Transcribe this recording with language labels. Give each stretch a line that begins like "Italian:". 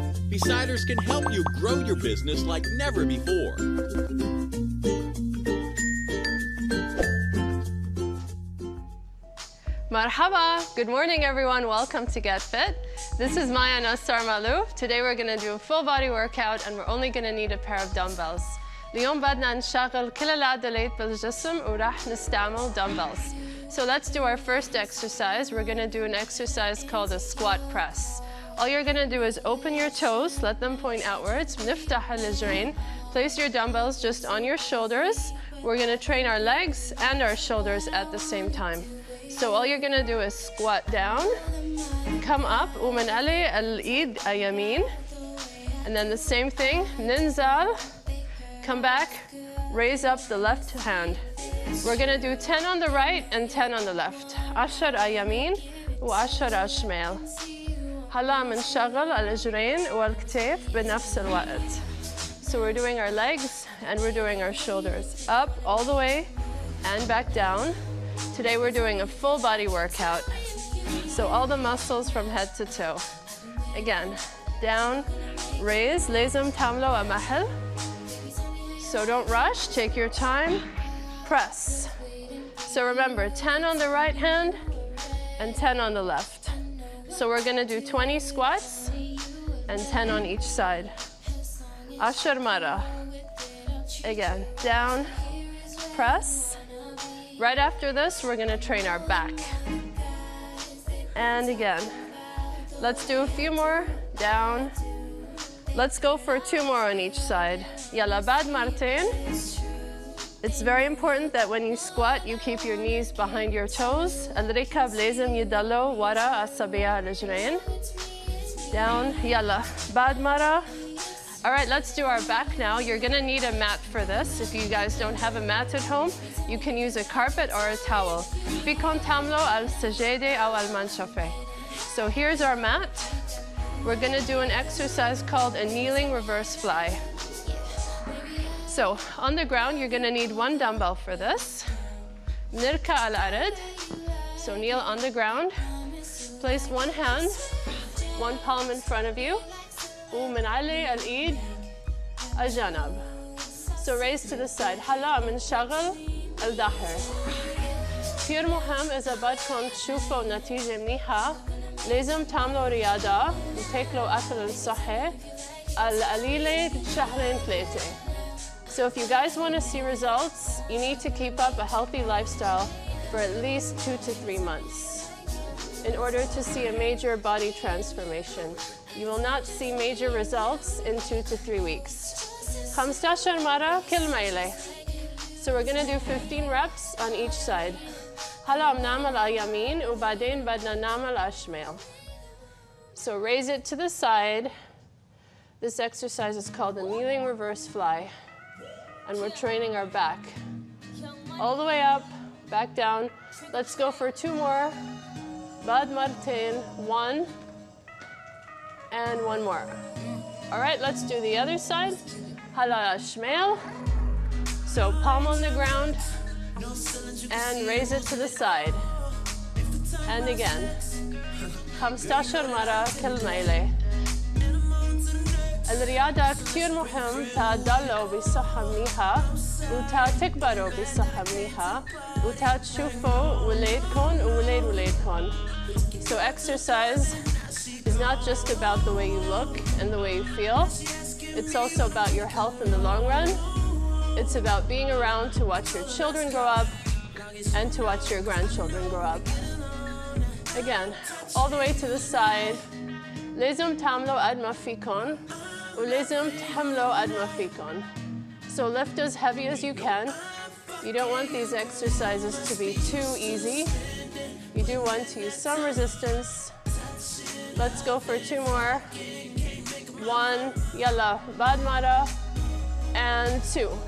English: Besiders can help you grow your business like never before. Marhaba! Good morning, everyone. Welcome to Get Fit. This is Maya Nassar Malouf. Today we're going to do a full body workout and we're only going to need a pair of dumbbells.
Arabic: اليوم بدنا نشغل كل العضلات بالجسم وراح نستعمل dumbbells.
English: So let's do our first exercise. We're going to do an exercise called a squat press. All you're going to do is open your toes, let them point outwards.
Arabic: نفتح الاجرين.
English: Place your dumbbells just on your shoulders. We're going to train our legs and our shoulders at the same time. So all you're going to do is squat down. Come up.
Arabic: ومنقلي الايد اليمين.
English: And then the same thing.
Arabic: ننزل.
English: Come back, raise up the left hand. We're gonna do 10 on the right and 10 on the left.
Arabic: عشر اليمين وعشر الشمال. هلا منشغل الاجرين والكتف بنفس الوقت.
English: So we're doing our legs and we're doing our shoulders. Up all the way and back down. Today we're doing a full body workout. So all the muscles from head to toe. Again, down, raise.
Arabic: لازم تعملوا أمهل.
English: So don't rush, take your time, press. So remember, 10 on the right hand and 10 on the left. So we're gonna do 20 squats and 10 on each side.
Arabic: Ashar mara.
English: Again, down, press. Right after this, we're gonna train our back. And again, let's do a few more, down. Let's go for two more on each side.
Arabic: Yalla bad martin.
English: It's very important that when you squat, you keep your knees behind your toes.
Arabic: الركب لازم يدلو ورا أصابيع الرجلين.
English: Down,
Arabic: yalla, bad mara.
English: All right, let's do our back now. You're gonna need a mat for this. If you guys don't have a mat at home, you can use a carpet or a towel.
Arabic: Bikon tamlo al sajede aw al manshafe.
English: So here's our mat. We're gonna do an exercise called a kneeling reverse fly. So on the ground, you're gonna need one dumbbell for this.
Arabic: Nirka al arad.
English: So kneel on the ground. Place one hand, one palm in front of you.
Arabic: ومن علي الايد الجنب.
English: So raise to the side.
Arabic: هلا منشغل الظهر. كثير مهم إذا بدكم تشوفوا نتيجة منيحة. لازم تعملوا رياضة وتاكلوا أكل صحي القليلة شهرين ثلاثة.
English: So if you guys want to see results, you need to keep up a healthy lifestyle for at least 2 to 3 months in order to see a major body transformation. You will not see major results in 2 to 3 weeks.
Arabic: 15 مرة كل ميلة.
English: So we're gonna do 15 reps on each side.
Arabic: هلا بنعمل اليمين وبعدين بدنا نعمل الشمال.
English: So raise it to the side. This exercise is called a kneeling reverse fly. And we're training our back. All the way up, back down. Let's go for two more.
Arabic: Bad Martin,
English: one. And one more. All right, let's do the other side.
Arabic: هلا الشمال.
English: So palm on the ground. And raise it to the side. And again.
Arabic: 15 مرة كل ميلة. الرياضة كثير مهم تضلوا بصحة منيحة وتكبروا بصحة منيحة وتشوفوا ولادكم وولاد ولادكم.
English: So exercise is not just about the way you look and the way you feel. It's also about your health in the long run. It's about being around to watch your children grow up and to watch your grandchildren grow up. Again, all the way to the side.
Arabic: لازم تعملوا قد ما فيكم ولازم تحملوا قد ما فيكم.
English: So lift as heavy as you can. You don't want these exercises to be too easy. You do want to use some resistance. Let's go for two more. One,
Arabic: yalla, bad mara.
English: And two.